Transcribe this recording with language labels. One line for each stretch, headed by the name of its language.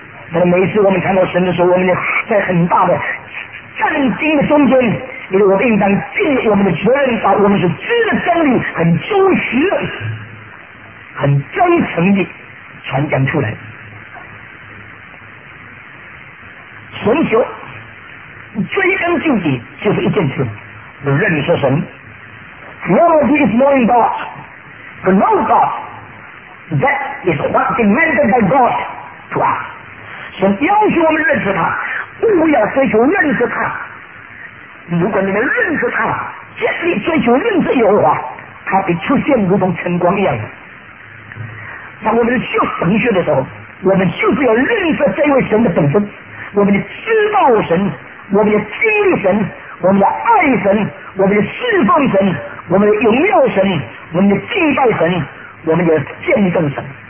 Chinese: 但是每一次我们谈到神的时候，我们在很大的战惊的中间，因为我们应当尽我们的责任，把我们所知的真理很忠实很真诚地传讲出来。神学追根究底就是一件事，认识神。
English: Theology is knowing God. To know God, that is what demanded by God to us.
Chinese: 神要求我们认识他，不要追求认识他。如果你们认识他，竭力追求认识耶和华，他必出现如同晨光一样。当我们修神学的时候，我们就是要认识这位神的本身，我们要知道神，我们要经历神，我们要爱神，我们要侍奉神，我们要荣耀神，我们要敬拜神，我们要见证神。